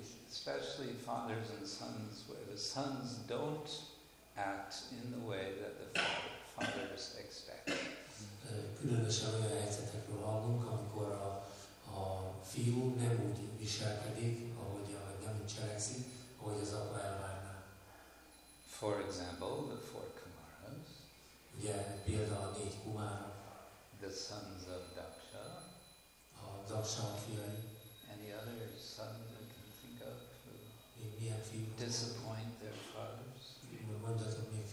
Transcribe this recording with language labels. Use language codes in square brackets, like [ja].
[en] Especially fathers and sons, where the sons don't act in the way that the fathers expect. [hu] Különösen olyan helyzetekről hallunk, amikor a fiú nem úgy viselkedik, nem úgy cselekszik, ahogy az apa elvárná. [en] For example, the four Kumaras. [hu] Ugye például a négy Kumara. [en] The sons of Daksha. [hu] A Daksha fiai. [en] Any other sons I can think of who disappoint their fathers?